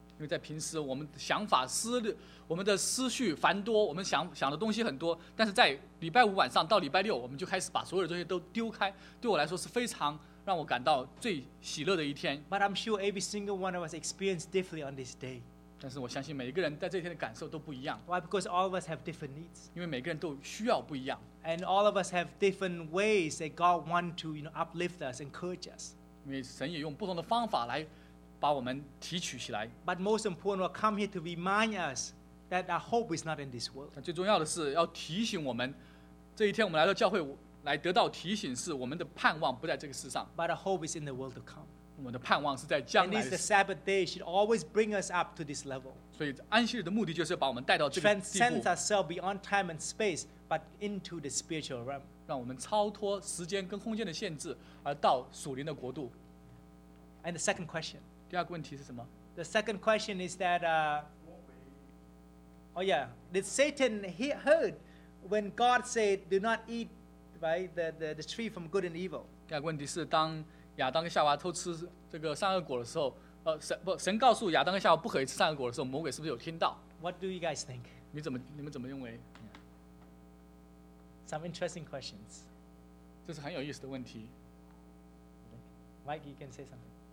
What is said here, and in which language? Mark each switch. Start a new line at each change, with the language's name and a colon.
Chinese: 因为在平时我们想法我们的思绪繁多，我们想的东西很多，但是在礼拜五晚上到礼拜六，我们就开始把所有的东西都丢开。对我来说是非常让我感到最喜乐的一天。
English: But I'm sure every single one of us experienced differently on this day.
Chinese: 但是我相信每一个人在这天的感受都不一样。
English: Why? Because all of us have different needs.
Chinese: 因为每个人都需要不一样。
English: And all of us have different ways that God wants to, you know, uplift us, encourage us.
Chinese: 因为神也用不同的方法来把我们提取起来。
English: But most important, we'll come here to remind us that our hope is not in this world.
Chinese: 最重要的是要提醒我们，这一天我们来到教会。来得到提醒是我们的盼望不在这个世上
English: But our hope is in the world to come
Chinese: 我们的盼望是在将来
English: And this Sabbath day should always bring us up to this level
Chinese: 所以安息日的目的就是把我们带到这个地步
English: Transcend ourselves beyond time and space but into the spiritual realm
Chinese: 让我们超脱时间跟空间的限制而到属灵的国度
English: And the second question
Chinese: 第二个问题是什么
English: The second question is that Oh yeah Did Satan heard when God said do not eatBy the tree from good and evil.
Chinese: 第二个问题是，当亚当跟夏娃偷吃这个善恶果的时候，神告诉亚当跟夏娃不可以吃善恶果的时候，魔鬼是不是有听到
English: ？What do you guys think?
Chinese: 你们怎么认为
English: ？Some interesting questions.
Chinese: 这是很有意思的问题。
English: Mike, you can say something.